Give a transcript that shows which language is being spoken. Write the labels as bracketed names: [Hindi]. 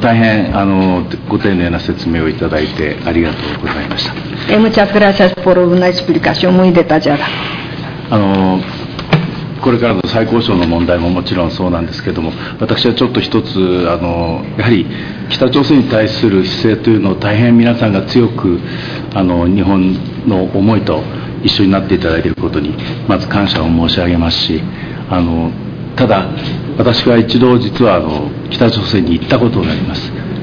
[Japanese] 大変ご丁寧な説明をいただいてありがとうございました。 [Spanish] Muchas gracias por una explicación muy detallada。 [Japanese] これからの最高渉の問題ももちろんそうなんですけれども、私はちょっと一つやはり北朝鮮に対する姿勢というのを大変皆さんが強く日本の思いと一緒になっていただいていることにまず感謝を申し上げますし、ただ私は一度実は北朝鮮に行ったことになります。